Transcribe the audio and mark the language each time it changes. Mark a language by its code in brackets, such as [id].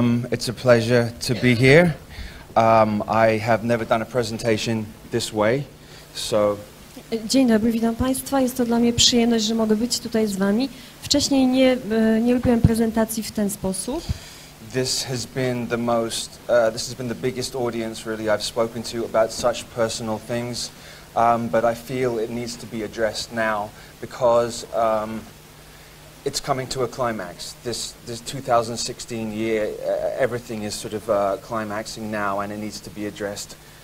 [en] It's a pleasure to be here. I have never done a presentation this way. So. [pl] Dzień dobry, witam Państwa. Jest to dla mnie przyjemność, że mogę być tutaj z Wami. Wcześniej nie robiłem prezentacji w ten sposób. [en] This has been the most, this has been the biggest audience really I've spoken to about such personal things, but I feel it needs to be addressed now because it's coming to a climax. This 2016 year, everything is sort of climaxing now and it needs to be addressed.